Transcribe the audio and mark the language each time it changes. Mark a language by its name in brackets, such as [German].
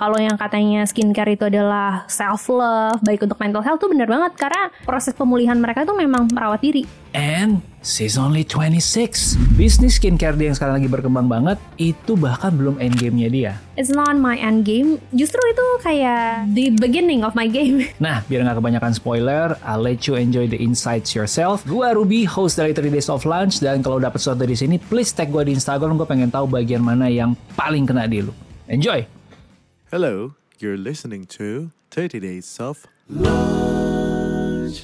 [Indonesian] Kalau yang katanya skincare itu adalah self-love, baik untuk mental health, tuh benar banget. Karena proses pemulihan mereka tuh memang merawat diri. [English] And she's only 26. [Indonesian] Bisnis skincare dia yang sekarang lagi berkembang banget, itu bahkan belum end game-nya dia. [English] It's not my end game. [Indonesian] Justru itu kayak [English] the beginning of my game. [Indonesian] Nah, biar gak kebanyakan spoiler, [English] I'll let you enjoy the insights yourself. [Indonesian] Gua Ruby, host dari 3 Days of Lunch. Dan kalau dapat sesuatu dari sini, [English] please tag [Indonesian] gua di Instagram. Gua pengen tahu bagian mana yang paling kena di lu. [English] Enjoy! Hello, you're listening to 30 Days of Lunch.